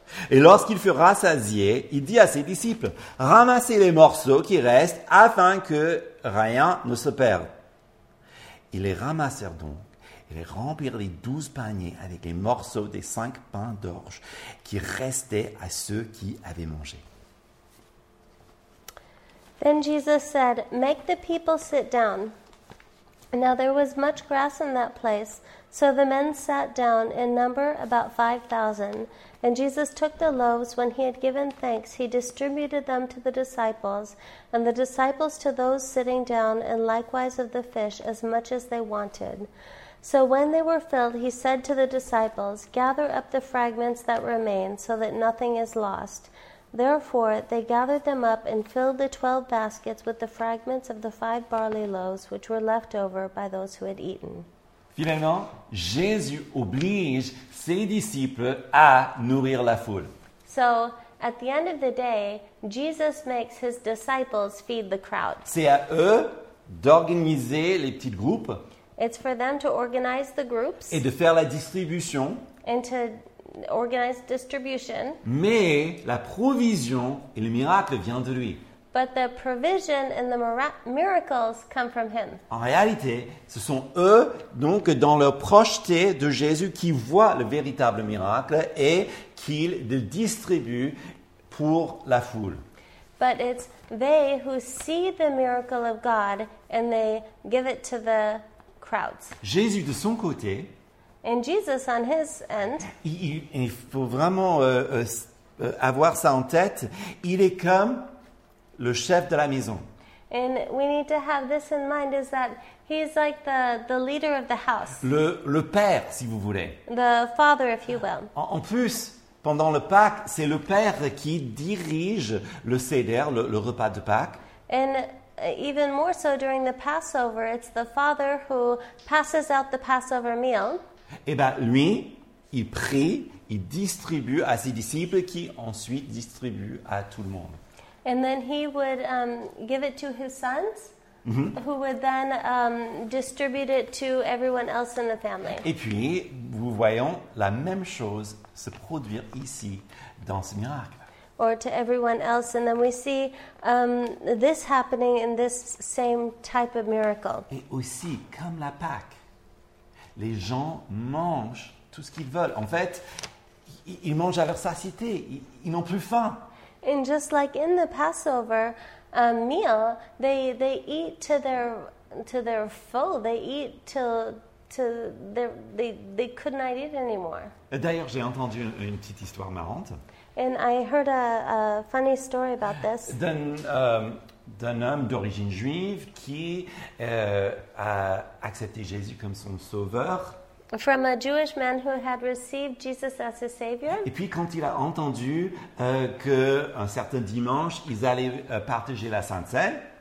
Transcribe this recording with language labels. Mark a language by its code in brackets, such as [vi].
[fr] Et lorsqu'ils furent rassasiés, il dit à ses disciples, ramassez les morceaux qui restent afin que rien ne se perde. Ils les ramassèrent donc. Ils remplirent les 12 paniers avec les morceaux des 5 pains d'orge qui restaient à ceux qui avaient mangé. [en] Then Jesus said, make the people sit down. Now there was much grass in that place, so the men sat down, in number about 5,000. And Jesus took the loaves, when he had given thanks, he distributed them to the disciples, and the disciples to those sitting down, and likewise of the fish, as much as they wanted. So when they were filled, he said to the disciples, gather up the fragments that remain, so that nothing is lost. Therefore, they gathered them up and filled the 12 baskets with the fragments of the 5 barley loaves, which were left over by those who had eaten. [fr] Finalement, Jésus oblige ses disciples à nourrir la foule. [en] So, at the end of the day, Jesus makes his disciples feed the crowd. [fr] C'est à eux d'organiser les petites groupes. [en] It's for them to organize the groups. [fr] Et de faire la distribution. [en] And to organize distribution. [fr] Mais la provision et le miracle vient de lui. [en] But the provision and the miracles come from him. [fr] En réalité, ce sont eux, donc, dans leur projeté de Jésus, qui voient le véritable miracle et qu'ils le distribuent pour la foule. [en] But it's they who see the miracle of God and they give it to the crowds. [fr] Jésus, de son côté, [en] and Jesus on his end, [fr] il faut vraiment avoir ça en tête, il est comme le chef de la maison. [en] And we need to have this in mind is that he's like the leader of the house. [fr] Le père, si vous voulez. [en] The father, if you will. [fr] En plus, pendant le Pâques, c'est le père qui dirige le céder, le repas de Pâques. [en] And even more so during the Passover, it's the father who passes out the Passover meal. [fr] Et bien, lui, il prie, il distribue à ses disciples qui ensuite distribuent à tout le monde. [en] And then he would give it to his sons. who would then distribute it to everyone else in the family. [fr] Et puis, nous voyons la même chose se produire ici dans ce miracle. [en] Or to everyone else, and then we see this happening in this same type of miracle. [fr] Et aussi, comme la Pâque, les gens mangent tout ce qu'ils veulent. En fait, ils mangent à leur satiété, ils n'ont plus faim. [en] And just like in the Passover meal, they eat to their full. They eat till they could not eat anymore. [fr] D'ailleurs, j'ai entendu une petite histoire marrante. [en] And I heard a funny story about this. [fr] D'un homme d'origine juive qui a accepté Jésus comme son sauveur. [en] From a Jewish man who had received Jesus as his savior. [fr] Et puis quand il a entendu que un certain dimanche ils allaient partager la Sainte Cène.